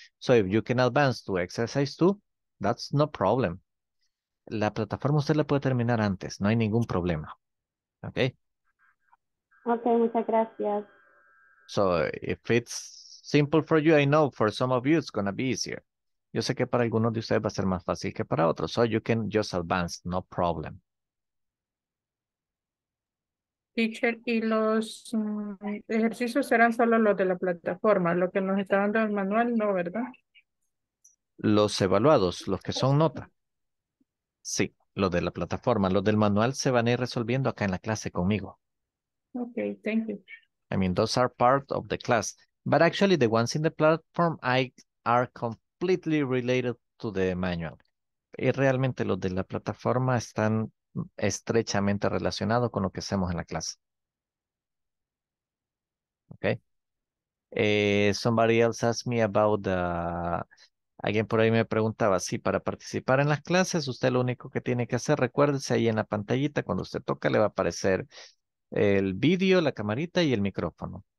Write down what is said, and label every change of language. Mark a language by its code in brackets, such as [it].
[en] So if you can advance to exercise 2, that's no problem. [es] La plataforma usted la puede terminar antes. No hay ningún problema. Ok. Ok, muchas gracias. [en] So, if it's simple for you, I know for some of you it's going to be easier. [es] Yo sé que para algunos de ustedes va a ser más fácil que para otros. [en] So, you can just advance. No problem. [es] Teacher, y los ejercicios serán solo los de la plataforma. Lo que nos está dando el manual, no, ¿verdad? Los evaluados, los que son nota. Sí, los de la plataforma. Los del manual se van a ir resolviendo acá en la clase conmigo. [en] Okay, thank you. I mean, those are part of the class. But actually, the ones in the platform are completely related to the manual. [es] Y realmente los de la plataforma están estrechamente relacionados con lo que hacemos en la clase. [en] Okay. Somebody else asked me about the... [es] Alguien por ahí me preguntaba, sí, para participar en las clases, usted lo único que tiene que hacer, recuérdese ahí en la pantallita, cuando usted toca le va a aparecer el vídeo, la camarita y el micrófono.